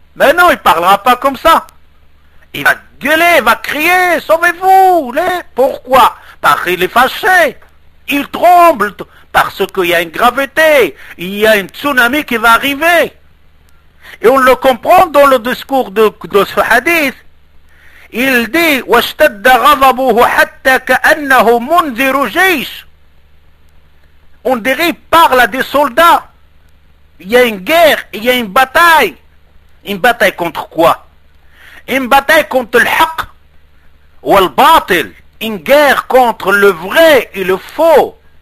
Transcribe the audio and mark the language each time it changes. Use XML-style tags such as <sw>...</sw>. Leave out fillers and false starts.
<fr>Mais non, il ne parlera pas comme ça. Il va gueuler, il va crier, sauvez-vous. Pourquoi? Parce qu'il est fâché. Il tremble. Parce qu'il y a une gravité. Il y a une tsunami qui va arriver. Et on le comprend dans le discours de ce hadith. Il dit,</fr> <ar>وَاشْتَدَّ غَضَبُهُ حَتَّى كَأَنَّهُ مُنْذِرُ جَيْشِ.</ar> <fr>On dirait qu'il parle à des soldats. Il y a une guerre, il y a une bataille. Une bataille contre quoi? Une bataille contre le haq ou le batil. Une guerre contre le vrai et le faux.</fr>